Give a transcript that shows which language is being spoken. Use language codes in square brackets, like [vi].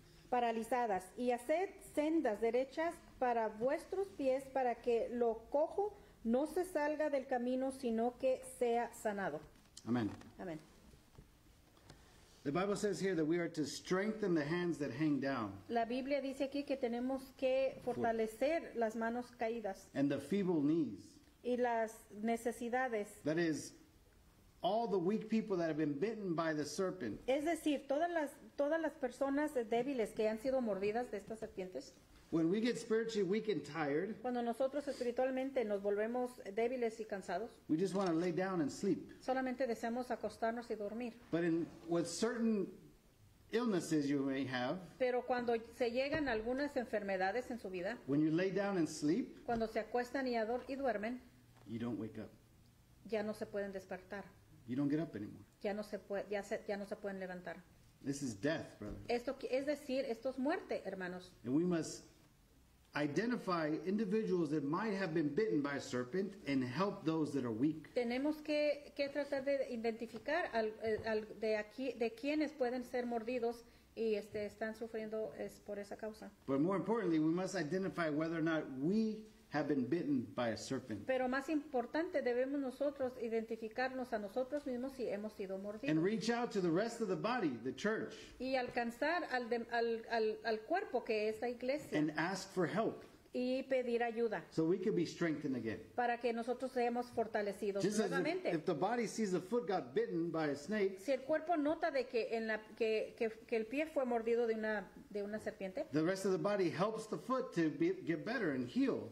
[es] paralizadas y haced sendas derechas para vuestros pies para que lo cojo no se salga del camino, sino que sea sanado. Amén. Amén. [en] The Bible says here that we are to strengthen the hands that hang down. [es] La Biblia dice aquí que tenemos que fortalecer las manos caídas. [en] And the feeble knees. [es] Y las necesidades. [en] That is, all the weak people that have been bitten by the serpent. [es] Es decir, todas las personas débiles que han sido mordidas de estas serpientes. [en] When we get spiritually weak and tired. [es] Cuando nosotros espiritualmente nos volvemos débiles y cansados. [en] We just want to lay down and sleep. [es] Solamente deseamos acostarnos y dormir. [en] But with certain illnesses you may have, [es] pero cuando se llegan algunas enfermedades en su vida, [en] when you lay down and sleep, [es] cuando se acuestan y duermen, [en] you don't wake up. [es] Ya no se pueden despertar. [en] You don't get up anymore. [es] Ya no se pueden levantar. [en] This is death, brother. [es] Esto es decir, esto es muerte, hermanos. [en] And we must identify individuals that might have been bitten by a serpent and help those that are weak. [es] Tenemos que tratar de identificar de quienes pueden ser mordidos y están sufriendo es por esa causa. [en] But more importantly, we must identify whether or not we have been bitten by a serpent. [es] Pero más importante, debemos nosotros identificarnos a nosotros mismos si hemos sido mordidos. [en] And reach out to the rest of the body, the church. [es] Y alcanzar al cuerpo que es la iglesia. [en] And ask for help. [es] Y pedir ayuda. [en] So we can be strengthened again. [es] Para que nosotros seamos fortalecidos [en] just [es] nuevamente. [en] If the body sees the foot got bitten by a snake. [es] Si el cuerpo nota de que en la que el pie fue mordido de una serpiente. [en] The rest of the body helps the foot to get better and heal.